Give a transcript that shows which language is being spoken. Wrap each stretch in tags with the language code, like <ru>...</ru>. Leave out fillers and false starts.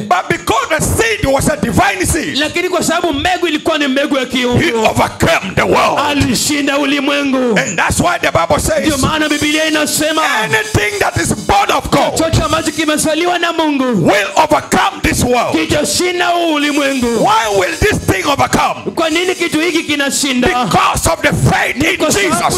<en>but because the seed was a divine seed,</en> <sw>lakini kwa sababu mbegu ilikuwa ni mbegu ya kiungu,</sw> <en>he overcame the world,</en> <sw>alishinda ulimwengu,</sw> <en>and that's why the Bible says,</en> <sw>ndio maana Biblia inasema,</sw> <en>anything that is born of God,</en> <sw>chochote ambacho kimezaliwa na Mungu,</sw> <en>will overcome this world.</en> <sw>Kijashinda ulimwengu.</sw> <en>Why will this thing overcome?</en> <sw>Kwa nini kitu hiki kinashinda?</sw> <en>Because of the faith in Jesus.</en>